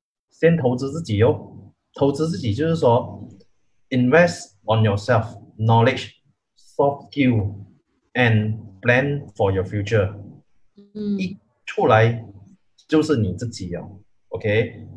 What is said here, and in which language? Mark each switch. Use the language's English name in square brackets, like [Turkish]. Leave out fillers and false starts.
[Chinese] 先投资自己哟、哦，投资自己就是说。 [English] Invest on yourself, knowledge, soft skill, and plan for your future. [Chinese] 一出来就是你自己了，OK？